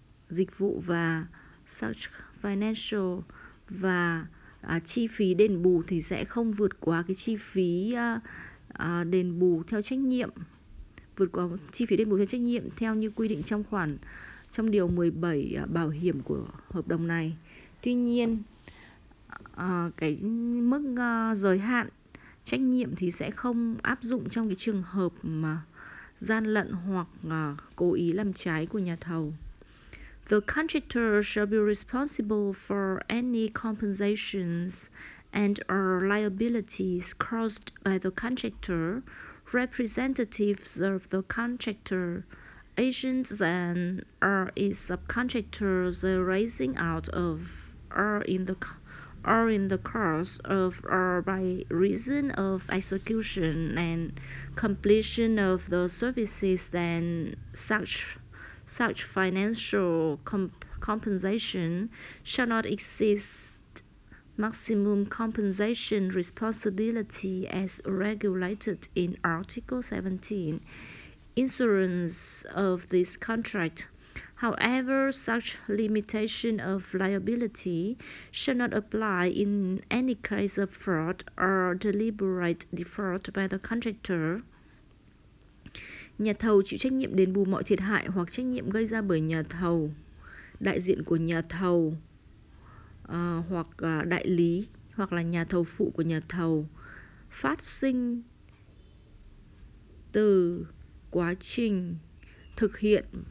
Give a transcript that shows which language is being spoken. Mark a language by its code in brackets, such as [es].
[vi] dịch vụ và [en] such financial [vi] và chi phí đền bù thì sẽ không vượt quá cái chi phí đền bù theo trách nhiệm theo như quy định trong khoản trong điều 17 bảo hiểm của hợp đồng này. Tuy nhiên, cái mức giới hạn trách nhiệm thì sẽ không áp dụng trong cái trường hợp mà gian lận hoặc cố ý làm trái của nhà thầu. [en] The contractor shall be responsible for any compensations and or liabilities caused by the contractor, representatives of the contractor, agents and or its subcontractors arising out of or in the course of or by reason of execution and completion of the services, then such financial compensation shall not exceed maximum compensation responsibility as regulated in Article 17 insurance of this contract. However, such limitation of liability shall not apply in any case of fraud or deliberate default by the contractor. [vi] Nhà thầu chịu trách nhiệm đền bù mọi thiệt hại hoặc trách nhiệm gây ra bởi nhà thầu, đại diện của nhà thầu hoặc đại lý hoặc là nhà thầu phụ của nhà thầu phát sinh từ quá trình thực hiện